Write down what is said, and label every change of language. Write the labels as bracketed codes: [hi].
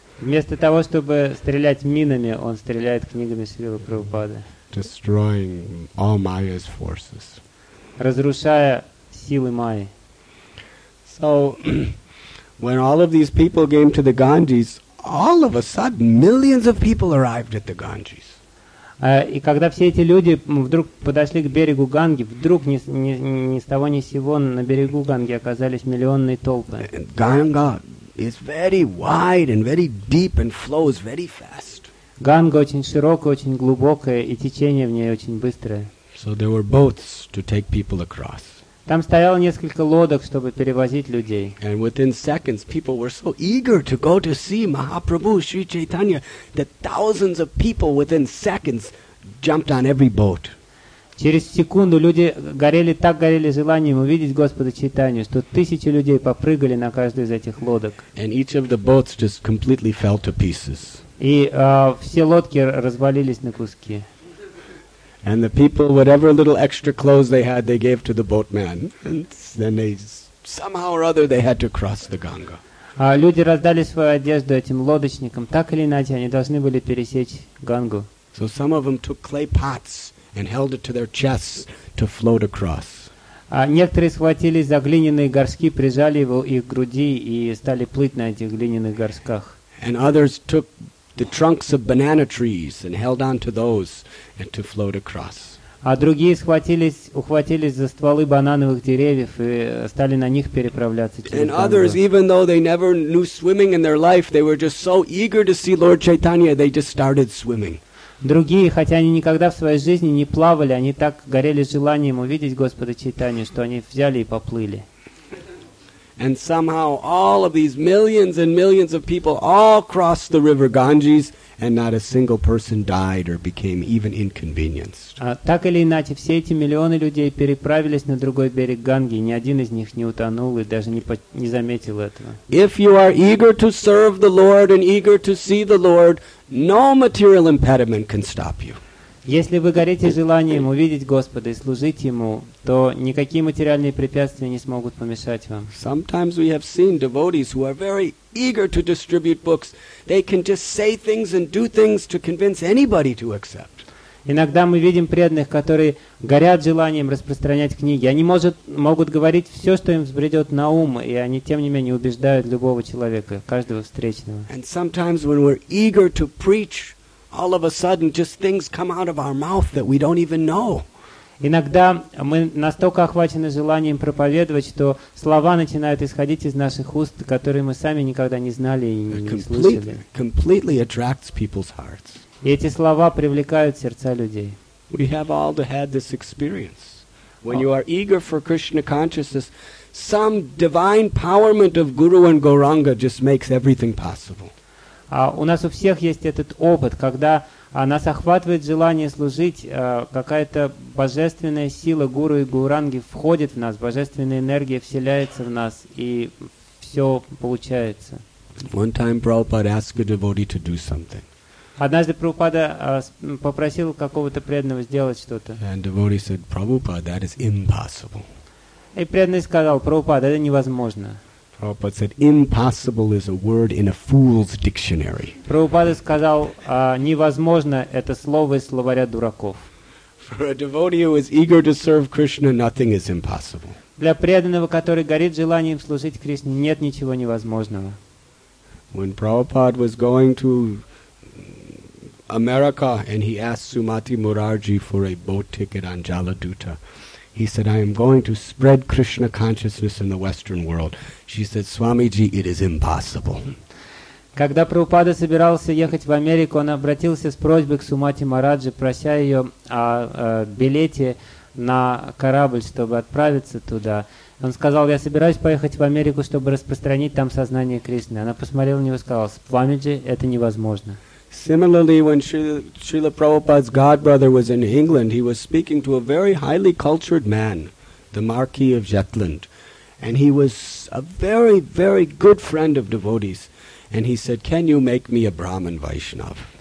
[ru] Вместо того, чтобы стрелять минами, он стреляет книгами Шрилы Прабхупады. [en] Destroying all Maya's forces. [ru] Разрушая силы Майи. [en] So, when all of these people came to the Ganges, all of a sudden, millions of people arrived at the Ganges. [ru] И когда все эти люди вдруг подошли к берегу Ганги, вдруг ни с того ни с сего на берегу Ганги оказались миллионные толпы. [en] Ганга is very wide and very deep and flows very fast. [ru] Ганга очень широкая, очень глубокая, и течение в ней очень быстрое. [en] So there were boats to take people across. [ru] Там стояло несколько лодок, чтобы перевозить людей. [en] And within seconds, people were so eager to go to see Mahaprabhu, Sri Chaitanya, that thousands of people within seconds jumped on every boat. [ru] Через секунду люди горели, так горели желанием увидеть Господа Чайтанью, что тысячи людей попрыгали на каждую из этих лодок. [en] And each of the boats just completely fell to pieces. [ru] И все лодки развалились на куски. [en] And the people, whatever little extra clothes they had, they gave to the boatman. And then they, somehow or other, they had to cross the Ganga. [ru] Люди раздали свою одежду этим лодочникам. Так или иначе, они должны были пересечь Гангу. [en] So some of them took clay pots and held it to their chests to float across. [ru] Некоторые схватились за глиняные горшки, прижали его их к груди и стали плыть на этих глиняных горшках. [en] And others took the trunks of banana trees and held on to those and to float across. [ru] А другие ухватились за стволы банановых деревьев и стали на них переправляться через [en] And others, even though they never knew swimming in their life, they were just so eager to see Lord Chaitanya, they just started swimming. [ru] Другие, хотя они никогда в своей жизни не плавали, они так горели желанием увидеть Господа Чайтанью, что они взяли и поплыли. [en] And somehow all of these millions and millions of people all crossed the river Ganges, and not a single person died or became even inconvenienced. [ru] Так или иначе, все эти миллионы людей переправились на другой берег Ганги, ни один из них не утонул и даже не заметил этого. [en] If you are eager to serve the Lord and eager to see the Lord, no material impediment can stop you. [ru] Если вы горите желанием увидеть Господа и служить Ему, то никакие материальные препятствия не смогут помешать вам. [en] Sometimes we have seen devotees who are very eager to distribute books. They can just say things and do things to convince anybody to accept. [ru] Иногда мы видим преданных, которые горят желанием распространять книги. Они могут говорить все, что им взбредет на ум, и они, тем не менее, убеждают любого человека, каждого встречного. [en] And sometimes when we're eager to preach, all of a sudden, just things come out of our mouth that we don't even know. [ru] Иногда мы настолько охвачены желанием проповедовать, что слова начинают исходить из наших уст, которые мы сами никогда не знали и не слышали. [en] Completely attracts people's hearts. [ru] И эти слова привлекают сердца людей. [en] We have all had this experience. When you are eager for Krishna consciousness, some divine powerment of Guru and Gauranga just makes everything possible. [ru] У нас у всех есть этот опыт, когда нас охватывает желание служить, какая-то божественная сила Гуру и Гауранги входит в нас, божественная энергия вселяется в нас, и все получается. [en] One time Prabhupada asked a devotee to do something. [ru] Однажды Прабхупада попросил какого-то преданного сделать что-то. [en] And devotee said, Prabhupada, that is impossible. [ru] И преданный сказал, Прабхупада, это невозможно. [en] Prabhupada said, impossible is a word in a fool's dictionary. [ru] Prabhupada сказал, невозможно – это слово из словаря дураков. [en] For a devotee who is eager to serve Krishna, nothing is impossible. [ru] Для преданного, который горит желанием служить Кришне, нет ничего невозможного. [en] When Prabhupada was going to America and he asked Sumati Murarji for a boat ticket on Jaladuta, he said, I am going to spread Krishna consciousness in the Western world. She said, Swamiji, it is impossible. [ru] Когда Прабхупада собирался ехать в Америку, он обратился с просьбой к Сумати Мараджи, прося ее о билете на корабль, чтобы отправиться туда. Он сказал, я собираюсь поехать в Америку, чтобы распространить там сознание Кришны. Она посмотрела на него и сказала, Свамиджи, это невозможно. [en] Similarly, when Srila Prabhupada's godbrother was in England, he was speaking to a very highly cultured man, the Marquis of Jutland. And he was a very, very good friend of devotees. And he said, can you make me a Brahmin Vaishnav?